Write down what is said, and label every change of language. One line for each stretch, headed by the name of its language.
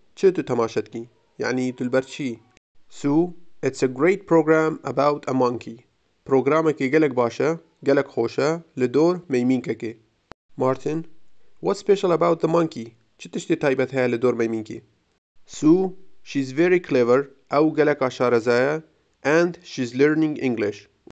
Kurdish: چه تو تماشات کی؟ یعنی تو البرچی.
English: Sue, it's a great program about a monkey.
Kurdish: پروگرامه که گلک باشه، گلک خوشه، لدور میمینکه که.
English: Martin, what's special about the monkey?
Kurdish: چه تشتی تایبت هیه لدور میمینکی؟
English: Sue, she's very clever.
Kurdish: او گلک آشارزایه.
English: And she's learning English.